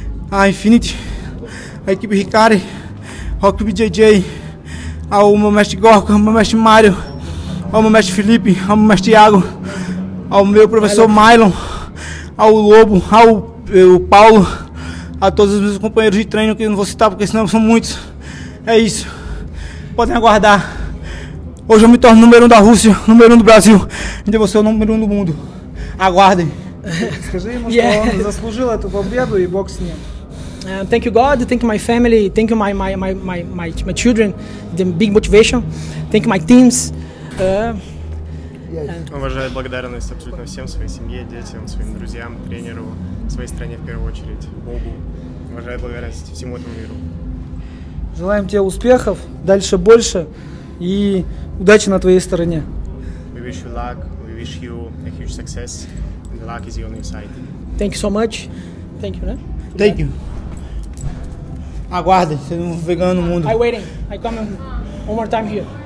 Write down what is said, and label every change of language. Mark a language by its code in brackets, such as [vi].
[pt] A Infinity, a equipe Hikari, ao equipe JJ, ao meu mestre Gorka, ao meu mestre Mário, ao meu mestre Felipe, ao meu mestre Iago, ao meu professor Mylon, ao Lobo, ao Paulo, a todos os meus companheiros de treino que eu não vou citar porque senão são muitos. É isso. Podem aguardar. Hoje eu me torno número um da Rússia, número um do Brasil. Ainda vou ser o número um do mundo. Aguardem. [ru] Скажи ему, что он заслужил эту победу и бог с ним. [en] Thank you God, thank you my family, thank you my children, the big motivation, thank you my teams. [ru] Уважаю благодарность абсолютно всем, своей семье, детям, своим друзьям, тренеру, своей стране в первую очередь, Богу. Уважаю благодарность всему этому миру. Желаем тебе успехов, дальше больше и удачи на твоей стороне. [en] We wish you luck, we wish you a huge success. The luck is on your side. Thank you so much. Thank you, né? Thank you. [pt] Aguardem, vocês não vão ganhando o mundo. [en] I'm waiting. I come one more time here.